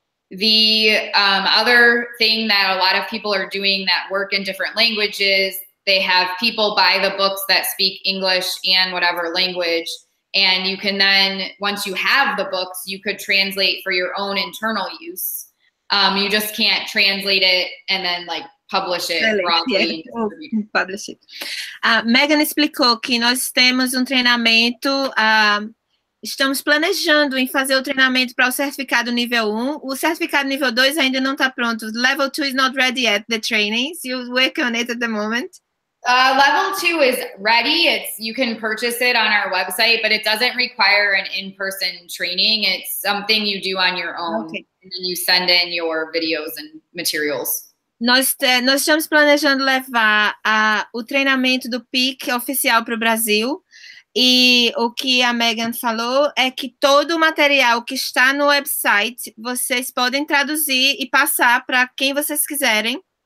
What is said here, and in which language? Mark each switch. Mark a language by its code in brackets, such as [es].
[en] The other thing that a lot of people are doing that work in different languages, they have people buy the books that speak English and whatever language. And you can then, once you have the books, you could translate for your own internal use. You just can't translate it and then like publish it broadly. Yeah. Publish it. [pt] Megan explicou que nós temos treinamento, estamos planejando em fazer o treinamento para o certificado nível 1. O certificado nível 2 ainda não está pronto. [en] Level 2 is not ready yet, the training. So you're working on it at the moment. Level 2 is ready. It's, you can purchase it on our website, but it doesn't require an in-person training. It's something you do on your own. Okay. And then you send in your videos and materials. [pt] Nós estamos planejando levar o treinamento do PIC oficial para o Brasil. E o que a Megan falou é que todo o material que está no website, vocês podem traduzir e passar para quem vocês quiserem.